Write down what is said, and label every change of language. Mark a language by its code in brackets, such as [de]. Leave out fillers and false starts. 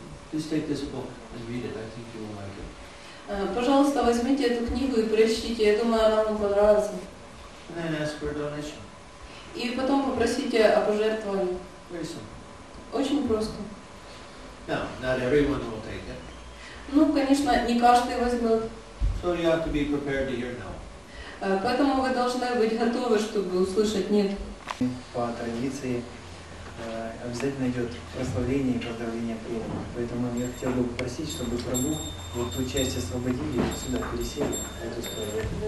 [en] Please take this book and read it. I think you will like it. [ru] Пожалуйста, возьмите эту книгу и прочтите. Я думаю, она вам понравится. [en] And then ask for a donation. [ru] И потом попросите о пожертвовании. [en] Very simple. [ru] Очень просто. [en] Now, not everyone will take it. [ru] Ну, конечно, не каждый возьмет. [en] So you have to be prepared to hear no. [ru] Поэтому вы должны быть готовы, чтобы услышать нет. По традиции обязательно идет прославление и поздравление преданных. Поэтому я хотел бы попросить, чтобы Прабху вот ту часть освободили и сюда пересели, в эту сторону.